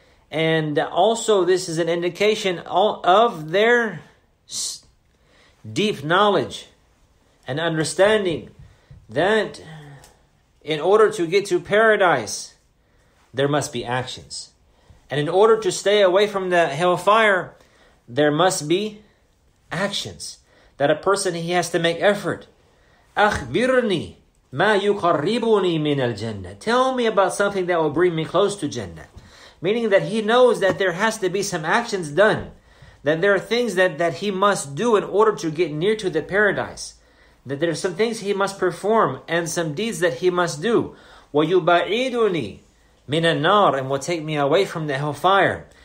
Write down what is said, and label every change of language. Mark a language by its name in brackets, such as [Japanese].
[English] And also this is an indication of their deep knowledge and understanding that in order to get to paradise, there must be actions. And in order to stay away from the hellfire, there must be actions. That a person, he has to make effort. [Arabic] أخبرني ما يقربني من الجنة. [English] Tell me about something that will bring me close to Jannah. Meaning that he knows that there has to be some actions done. That there are things that he must do in order to get near to the paradise. That there are some things he must perform and some deeds that he must do. [Arabic] ويبعدني من النار, [English] and will take me away from the hellfire.